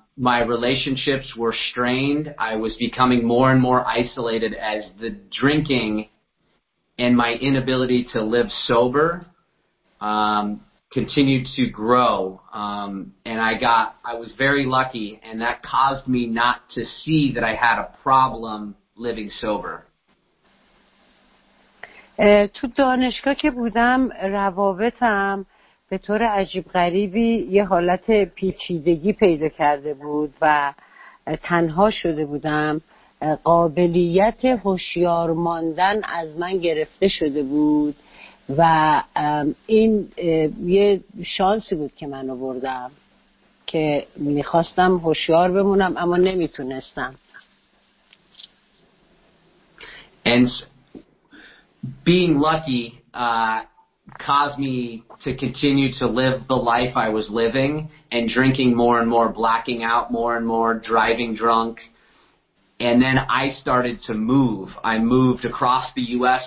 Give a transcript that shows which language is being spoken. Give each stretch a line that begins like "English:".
English: My relationships were strained. I was becoming more and more isolated as the drinking and my inability to live sober continued to grow. And I was very lucky, and that caused me not to see that I had a problem living sober.
Persian: تو دانشگاه که بودم روابطم به طور عجیب غریبی یه حالت پیچیدگی پیدا کرده بود و تنها شده بودم. قابلیت هوشیار ماندن از من گرفته شده بود و این یه شانسی بود که من آوردم که میخواستم هوشیار بمونم اما نمیتونستم.
English: Being lucky caused me to continue to live the life I was living and drinking more and more, blacking out more and more, driving drunk. And then I started to move. I moved across the U.S.